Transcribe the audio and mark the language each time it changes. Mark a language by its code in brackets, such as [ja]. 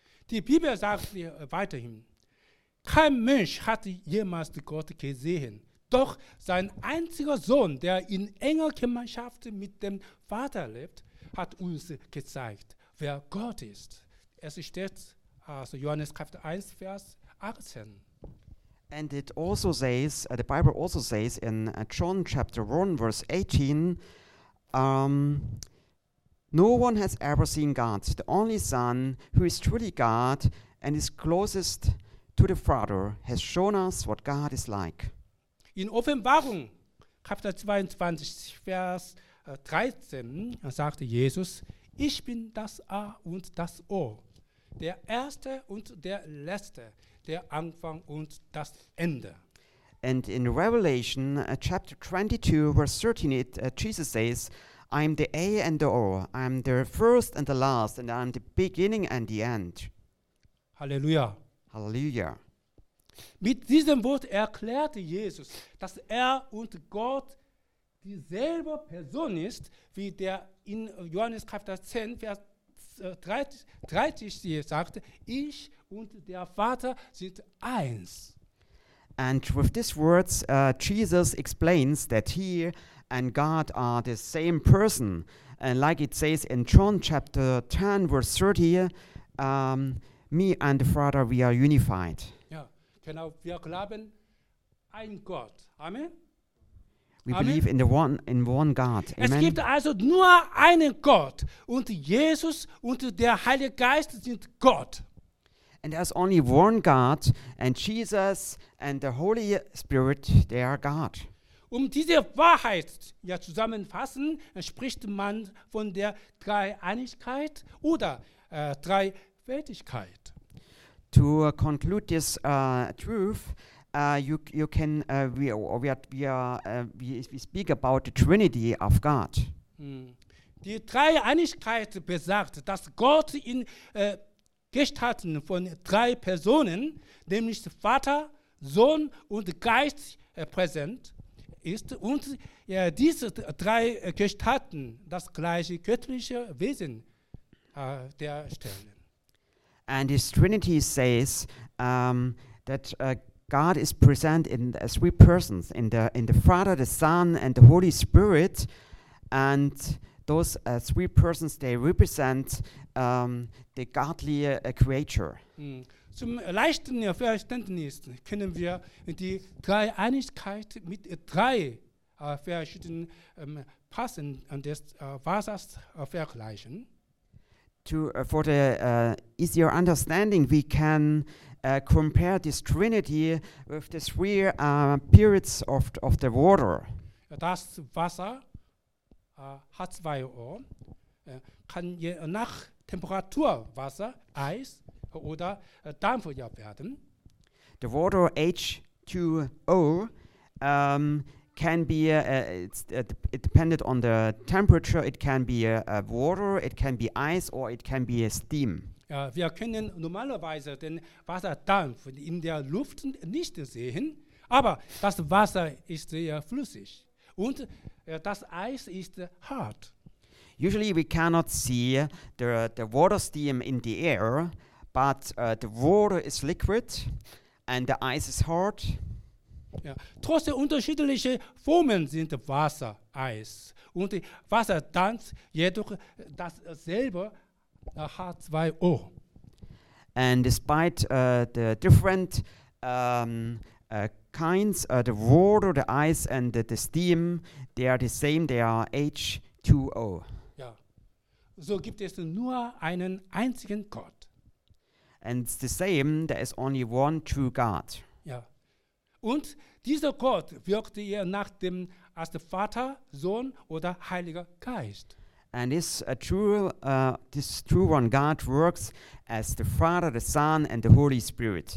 [de] Die Bibel sagt weiterhin, kein Mensch hat jemals Gott gesehen. Doch sein einziger Sohn, der in enger Gemeinschaft mit dem Vater lebt, hat uns gezeigt, wer Gott ist. Es steht, also Johannes Kapitel 1, Vers 18. [en] And it also says, the Bible also says in John chapter 1, verse 18, no one has ever seen God, the only Son, who is truly God and is closest to the Father, has shown us what God is like. [de] In Offenbarung, Kapitel 22, Vers 13, sagte Jesus, ich bin das A und das O, der Erste und der Letzte, der Anfang und das Ende. [en] And in Revelation, chapter 22, verse 13, Jesus says, I am the A and the O, I am the first and the last, and I am the beginning and the end. Halleluja. Halleluja. [de] Mit diesem Wort erklärte Jesus, dass und Gott dieselbe Person ist, wie der in Johannes Kapitel 10, Vers 30 sagte, ich und der Vater sind eins. [en] And with these words, Jesus explains that he and God are the same person. And like it says in John chapter 10, verse 30, me and the Father, we are unified. [de] Genau, wir glauben ein Gott. Amen. [en] We believe in one God. Amen. [de] Es gibt also nur einen Gott und Jesus und der Heilige Geist sind Gott. [en] And there's only one God and Jesus and the Holy Spirit, they are God. [de] Diese Wahrheit ja zusammenfassen, spricht man von der Dreieinigkeit oder Dreifaltigkeit. [en] To conclude this truth, we speak about the Trinity of God. [de] Die Dreieinigkeit besagt, dass Gott in Gestalten von drei Personen, nämlich Vater, Sohn und Geist präsent ist. Und diese drei Gestalten das gleiche göttliche Wesen darstellen. [en] And his Trinity says that God is present in three persons, in the Father, the Son, and the Holy Spirit. And those three persons, they represent the godly creature. [de] Zum leichten Verständnis können wir die Dreieinigkeit mit drei verschiedenen Passen des Wassers vergleichen. [en] For the easier understanding, we can compare this Trinity with the three periods of the water. [de] Das Wasser hat zwei Ohren, kann je nach Temperatur Wasser, Eis oder Dampf werden. [en] The water H2O can be it depended on the temperature. It can be water, it can be ice, or it can be steam. [de] Wir können normalerweise den Wasserdampf in der Luft nicht sehen, aber das Wasser ist sehr flüssig und das Eis ist hart. [en] Usually we cannot see the water steam in the air, but the water is liquid and the ice is hard. [de] Ja, trotz der unterschiedlichen Formen sind Wasser, Eis und Wasserdampf jedoch dasselbe. H2O. [en] And despite the different kinds, the water, the ice, and the steam, they are the same. They are H2O. [de] Ja. So gibt es nur einen einzigen Gott. [en] And it's the same. There is only one true God. [de] Ja. Und dieser Gott wirkt hier nach dem als der Vater, Sohn oder Heiliger Geist. [en] And this this true one God works as the Father, the Son, and the Holy Spirit.